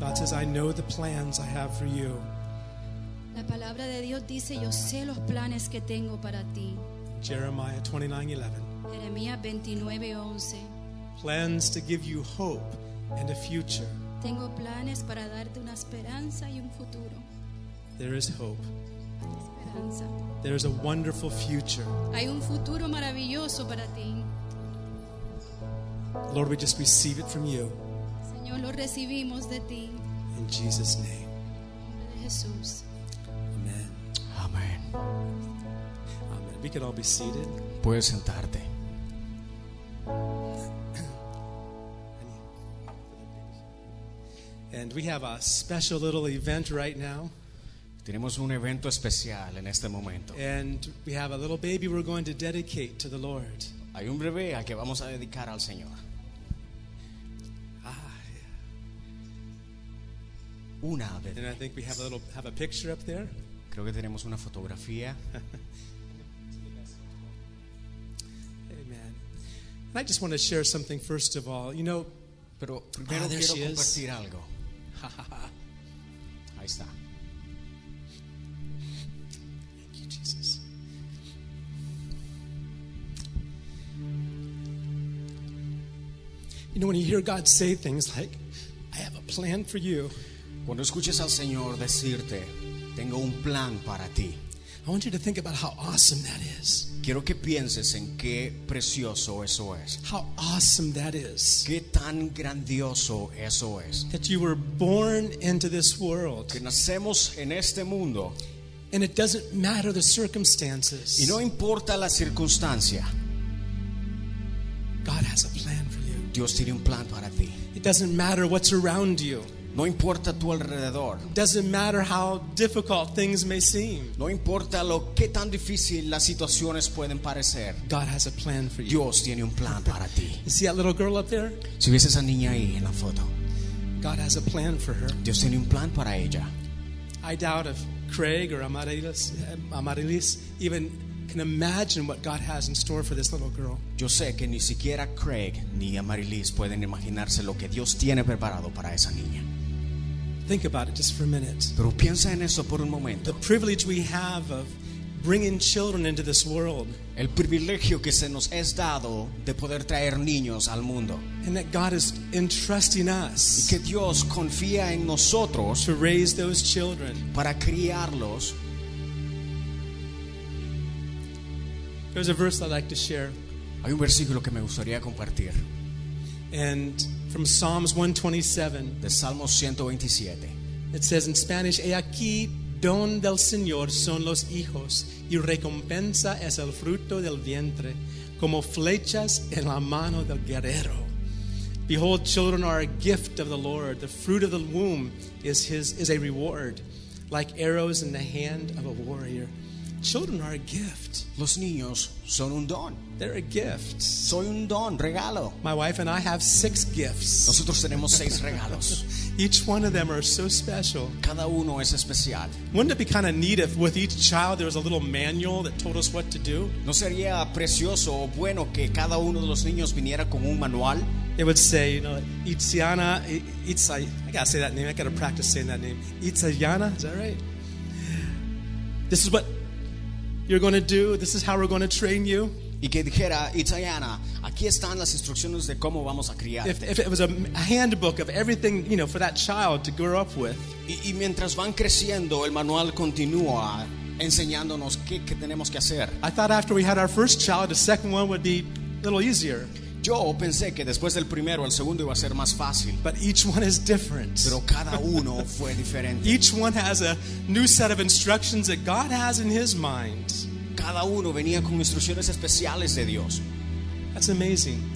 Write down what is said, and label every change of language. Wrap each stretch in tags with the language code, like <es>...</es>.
<en>God says, I know the plans I have for you.</en> <es>La palabra de Dios dice, yo sé los planes que tengo para ti.</es> <en>Jeremiah 29:11.</en> <es>Jeremías 29:11.</es> <en>Plans to give you hope and a future.</en> <es>Tengo planes para darte una esperanza y un futuro.</es> <en>There is hope.</en> <es>Esperanza.</es> <en>There is a wonderful future.</en> <es>Hay un futuro maravilloso para ti.</es> <en>Lord, we just receive it from you.</en> <es>Lo recibimos de ti.</es> <en>In Jesus' name.</en> <es>Jesús.</es> <en>Amen.</en> <es>Amen.</es> <en>Amen. We can all be seated.</en> <es>Puedes sentarte.</es> <en>And we have a special little event right now.</en> <es>Tenemos un evento especial en este momento.</es> <en>And we have a little baby we're going to dedicate to the Lord.</en> <es>Hay un bebé al que vamos a dedicar al Señor. Una vez.</es> <en>And I think we have a little have a picture up there.</en> <es>Creo que tenemos una fotografía.</es> <en>Amen. And I just want to share something first of all. You know,</en> <es>pero primero ah, quiero compartir algo. Ahí está.</es> <en>Thank you, Jesus. You know, when you hear God say things like, I have a plan for you.</en> <es>Cuando escuches al Señor decirte, tengo un plan para ti.</es> <en>I want you to think about how awesome that is.</en> <es>Quiero que pienses en qué precioso eso es.</es> <en>How awesome that is.</en> <es>Qué tan grandioso eso es.</es> <en>That you were born into this world.</en> <es>Que nacemos en este mundo.</es> <en>And it doesn't matter the circumstances.</en> <es>Y no importa la circunstancia.</es> <en>God has a plan for you.</en> <es>Dios tiene un plan para ti.</es> <en>It doesn't matter what's around you.</en> <es>No importa tu alrededor.</es> <en>Doesn't matter how difficult things may seem.</en> <es>No importa lo que tan difícil las situaciones pueden parecer.</es> <en>God has a plan for you.</en> <es>Dios tiene un plan para ti.</es> <en>You see that little girl up there?</en> <es>Si ves esa niña ahí en la foto.</es> <en>God has a plan for her.</en> <es>Dios tiene un plan para ella.</es> <en>I doubt if Craig or Amarilis even can imagine what God has in store for this little girl.</en> <es>Yo sé que ni siquiera Craig ni Amarilis pueden imaginarse lo que Dios tiene preparado para esa niña.</es> <en>Think about it just for a minute.</en> <es>Pero piensa en eso por un momento.</es> <en>The privilege we have of bringing children into this world.</en> <es>El privilegio que se nos es dado de poder traer niños al mundo.</es> <en>And that God is entrusting us.</en> <es>Y que Dios confía en nosotros.</es> <en>To raise those children.</en> <es>Para criarlos.</es> <en>There's a verse I'd like to share.</en> <es>Hay un versículo que me gustaría compartir.</es> <en>And from Psalms 127.</en> <es>De Salmos 127.</es> <en>It says in Spanish,</en> <es>"He aquí, don del Señor son los hijos, y recompensa es el fruto del vientre, como flechas en la mano del guerrero.</es> <en>Behold, children are a gift of the Lord. The fruit of the womb is a reward, like arrows in the hand of a warrior." Children are a gift.</en> <es>Los niños son un don.</es> <en>They're a gift.</en> <es>Soy un don, regalo.</es> <en>My wife and I have 6 gifts.</en> <es>Nosotros tenemos 6 regalos.</es> <en>Each one of them are so special.</en> <es>Cada uno es especial.</es> <en>Wouldn't it be kind of neat if with each child there was a little manual that told us what to do?</en> <es>¿No sería precioso o bueno que cada uno de los niños viniera con un manual?</es> <en>It would say, you know, Itziana, I gotta say that name. I gotta practice saying that name. Itziana, is that right? This is what you're going to do. This is how we're going to train you.</en> <es>Y que dijera, Itziana, aquí están las instrucciones de cómo vamos a criar.</es> <en>If it was a handbook of everything, you know, for that child to grow up with.</en> <es>Y mientras van creciendo, el manual continúa enseñándonos qué tenemos que hacer.</es> <en>I thought after we had our first child, the second one would be a little easier.</en> <es>Yo pensé que después del primero, el segundo iba a ser más fácil.</es> <en>But each one is different.</en> <es>Pero cada uno fue diferente.</es> <en>Each one has a new set of instructions that God has in his mind.</en> <es>Cada uno venía con instrucciones especiales de Dios.</es> <en>That's amazing.</en>